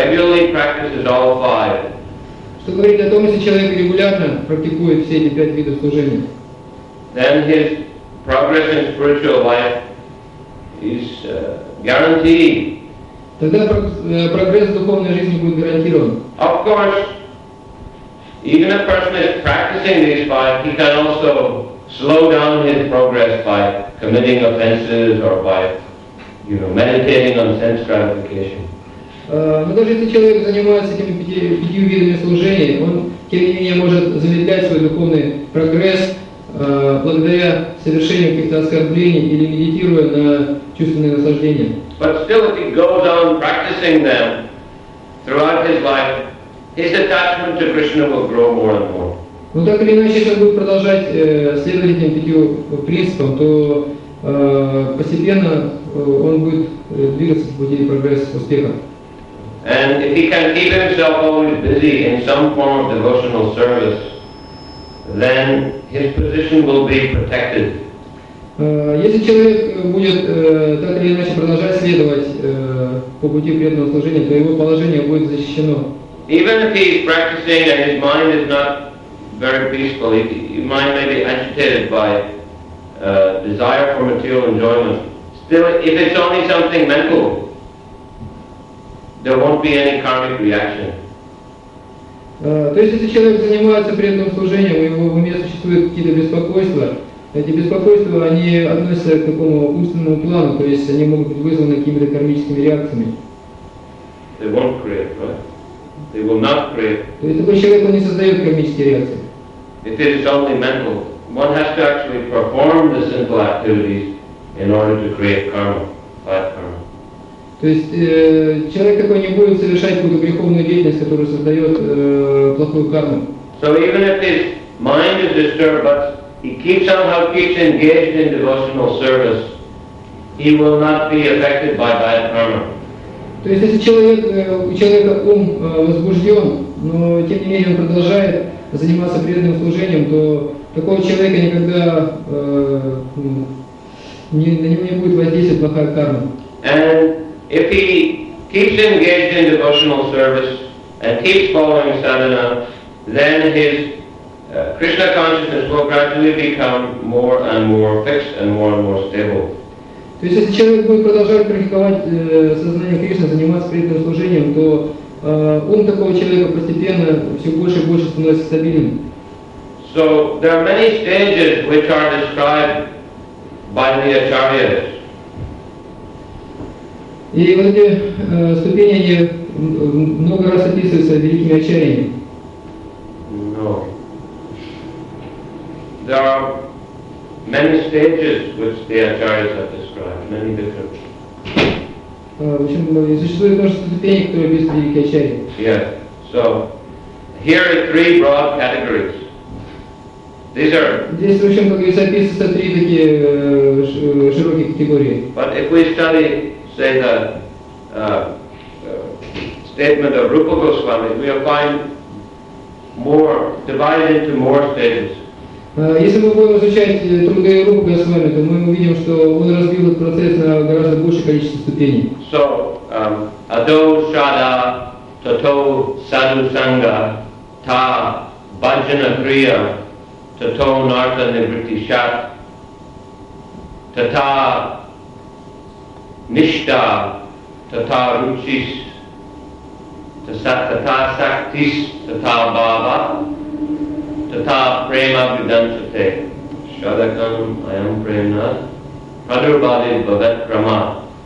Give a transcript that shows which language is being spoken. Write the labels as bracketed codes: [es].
[ru] Что говорит о том, если человек регулярно практикует все эти пять видов служения? [en] Then his progress in spiritual life is guaranteed. [ru] Тогда прогресс в духовной жизни будет гарантирован. [en] Of course, even a person is practicing these five, he can also slow down his progress by committing offenses or by, you know, meditating on sense gratification. [ru] Но даже если человек занимается этими пятью видами служения, он, тем не менее, может замедлять свой духовный прогресс благодаря совершению каких-то оскорблений или медитируя на чувственные наслаждения. [en] But still, if he goes on practicing them throughout his life, his attachment to Krishna will grow more and more. [ru] Но так или иначе, если он будет продолжать следовать этим пятью принципам, то постепенно он будет двигаться в пути прогресса, успеха. [en] And if he can keep himself always busy in some form of devotional service, then his position will be protected. [ru] Если человек будет так или иначе продолжать следовать по пути преданного служения, то его положение будет защищено. [en] Even if he is practicing and his mind is not very peaceful, his mind may be agitated by desire for material enjoyment. Still, if it's only something mental, there won't be any karmic reaction. [ru] То есть если человек занимается преданным служением, у него в уме существуют какие-то беспокойства, эти беспокойства, они относятся к такому умственному плану, то есть они могут быть вызваны какими-то кармическими реакциями. [en] They won't create, right? They will not create. [ru] То есть такой человек, он не создает кармические реакции. [en] If it is only mental, one has to actually perform the simple activities in order to create karma, bad karma. [ru] То есть человек такой не будет совершать какую-то греховную деятельность, которая создает плохую карму. [en] So even if his mind is disturbed, but he keeps somehow keeps engaged in devotional service, he will not be affected by bad karma. [ru] То есть если человек, у человека ум возбужден, но тем не менее он продолжает заниматься преданным служением, то такого человека никогда на него не будет воздействовать плохая карма. [en] And if he keeps engaged in devotional service and keeps following sadhana, then his Krishna consciousness will gradually become more and more fixed and more stable. [ru] То есть если человек будет продолжать практиковать сознание Кришны, заниматься преданным служением, то ум такого человека постепенно все больше и больше становится стабильным. [en] So there are many stages which are described by the acharyas. [ru] И вот эти ступени, они много раз описываются великими очарьями. [en] No. There are many stages which the acharyas have described, many different. [ru] В общем, существует множество ступеней, которые описывают великие очарьи. [en] Yes. So, here are three broad categories. These are... [ru] Здесь, в общем, как говорится, описываются три такие широкие категории. [en] But if we study, say, the statement of Rupa Goswami, we will find more, divided into more stages. [ru] Если мы будем изучать труды Рупы Госвами, то мы увидим, что он разбил этот процесс на гораздо большее количество ступеней. [sa] So, ado, shada, tato, sadhu, sangha, ta, bhajana, kriya, tato, narta, nivritti, shat, tata, nishta, tata, ruchis, tata, saktis, tata, bhava, tata prema vidanchate, shadakam ayam prema, pradurbhadi bhavet prama.